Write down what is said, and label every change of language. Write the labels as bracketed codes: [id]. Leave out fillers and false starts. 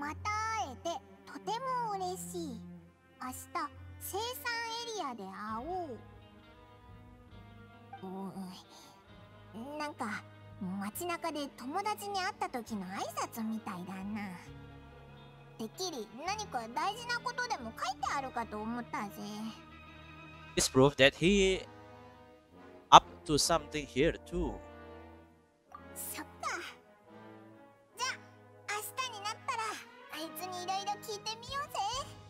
[ja] また会えてとても嬉しい。明日、生産エリアで会おう。なんか街中で友達に会った時の挨拶みたいだな。てっきり何か大事なことでも書いてあるかと思ったぜ。 [en] It's proof that he up to something here too。 [ja] そっか、じゃあ明日になったらあいつにいろいろ聞いてみようぜ。